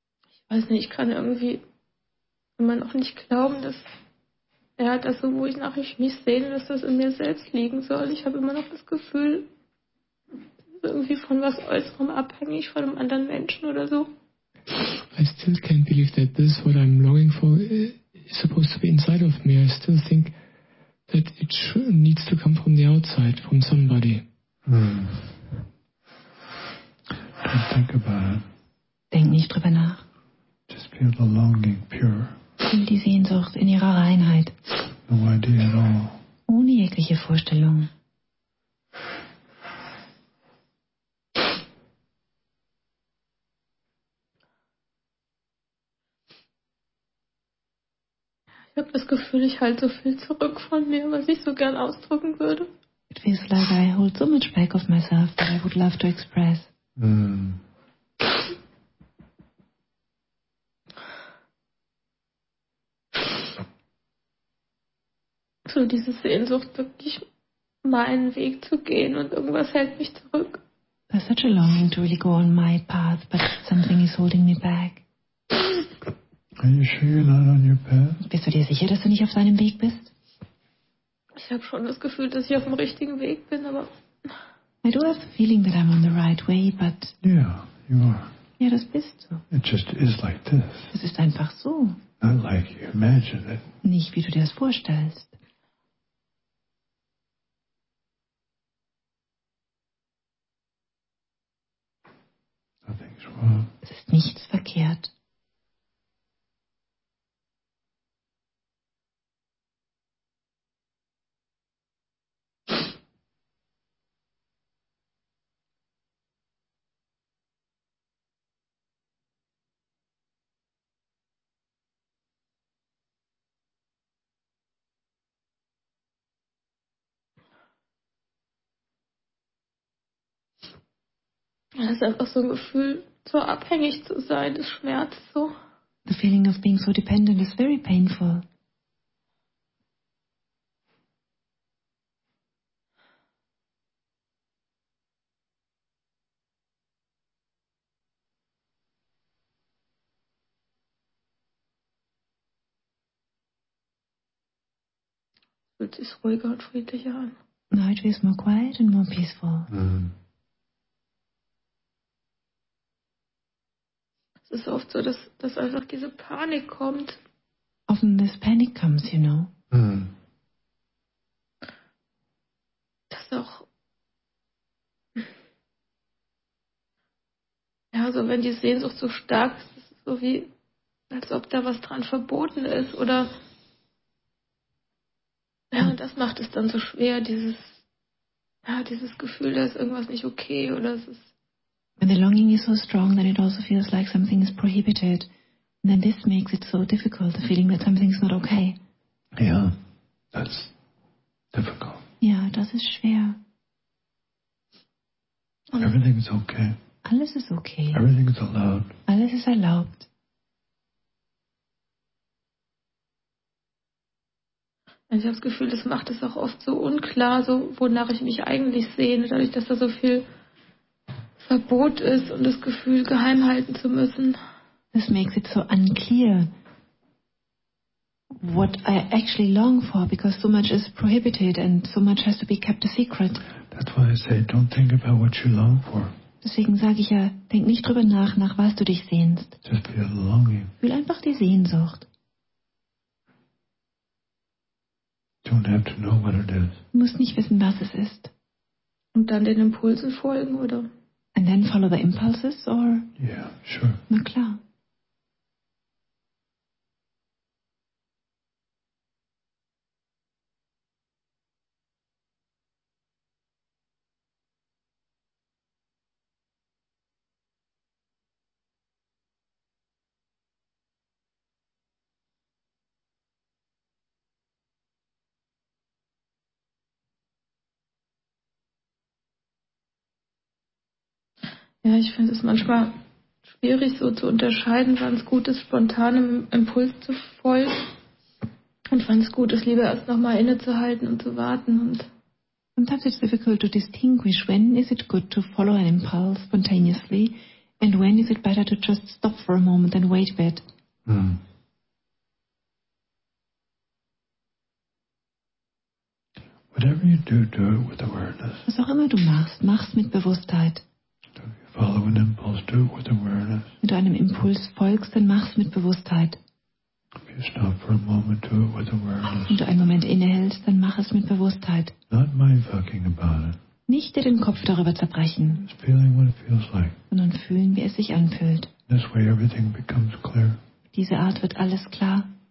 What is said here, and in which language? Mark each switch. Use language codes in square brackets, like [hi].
[de] Ich weiß nicht, ich kann irgendwie immer noch nicht glauben, dass er das so, wo ich nach mich sehne, dass das in mir selbst liegen soll. Ich habe immer noch das Gefühl, irgendwie von was Äußerem abhängig, von einem anderen Menschen oder so. [en] I still can't believe that this, what I'm longing for, is supposed to be inside of me. I still think that it needs to come from the outside, from somebody. Hmm. Don't think about it. [de] Denk nicht drüber nach. [en] Just feel the longing pure. [de] Fühl die Sehnsucht in ihrer Reinheit. [en] No idea at all. [de] Ohne jegliche Vorstellung. Ich habe das Gefühl, ich halte so viel zurück von mir, was ich so gern ausdrücken würde. [en] It feels like I hold so much back of myself that I would love to express. Mm. [de] So diese Sehnsucht, wirklich meinen Weg zu gehen, und irgendwas hält mich zurück. [en] There's such a longing to really go on my path, but something is holding me back. Are you sure you're not on your path? [de] Bist du dir sicher, dass du nicht auf deinem Weg bist? Ich habe schon das Gefühl, dass ich auf dem richtigen Weg bin, aber... [en] I do have the feeling that I'm on the right way, but... Yeah, you are. [de] Ja, das bist du. [en] It just is like this. [de] Es ist einfach so. [en] Not like you imagine it. [de] Nicht, wie du dir das vorstellst. Es ist nichts verkehrt. Das ist einfach so ein Gefühl, so abhängig zu sein, das schmerzt so. [en] The feeling of being so dependent is very painful. [de] Fühlt sich ruhiger und friedlicher an. [en] Now it feels more quiet and more peaceful. Mm. [de] Es ist oft so, dass einfach diese Panik kommt. [en] Often this panic comes, you know. Mm. [de] Das auch. Ja, so wenn die Sehnsucht so stark ist, ist es so wie, als ob da was dran verboten ist, oder. Ja, und das macht es dann so schwer, dieses Gefühl, da ist irgendwas nicht okay, oder es ist. [en] When the longing is so strong that it also feels like something is prohibited, then this makes it so difficult, the feeling that something's not okay. Yeah, that's difficult. [de] Yeah, das ist schwer. [en] Everything's okay. [de] Alles ist okay. [en] Everything is allowed. [de] Alles ist erlaubt. Ich habe das Gefühl, das macht es auch oft so unklar, so wonach ich mich eigentlich sehne, dadurch, dass da so viel Verbot ist und das Gefühl, geheim halten zu müssen. [en] This makes it so unclear what I actually long for, because so much is prohibited and so much has to be kept a secret. That's why I say, don't think about what you long for. [de] Deswegen sage ich ja, denk nicht drüber nach, nach was du dich sehnst. [en] Just feel the longing. [de] Fühl einfach die Sehnsucht. [en] Don't have to know what it is. [de] Du musst nicht wissen, was es ist. Und dann den Impulsen folgen, oder? [en] And then follow the impulses, or? Yeah, sure. [de] Na klar. Ja, ich finde es manchmal schwierig, so zu unterscheiden, wann es gut ist, spontan einem Impuls zu folgen und wann es gut ist, lieber erst nochmal innezuhalten und zu warten. Und [en] sometimes it's difficult to distinguish when is it good to follow an impulse spontaneously and when is it better to just stop for a moment and wait a bit. Mm. Whatever you do, do it with awareness. [de] Was auch immer du machst, mach's mit Bewusstheit. [en] Follow an impulse, do it with awareness. [de] Wenn du einem Impuls folgst, dann mach's mit Bewusstheit. [en] If you stop for a moment, do it with awareness. [de] Wenn du einen Moment innehältst, dann mach es mit Bewusstheit. [en] Not mind fucking about it. [de] Nicht dir den Kopf darüber zerbrechen. [en] Just feeling what it feels like. [de] Sondern fühlen, wie es sich anfühlt. [en] This way everything becomes clear. [de] Diese Art wird alles klar.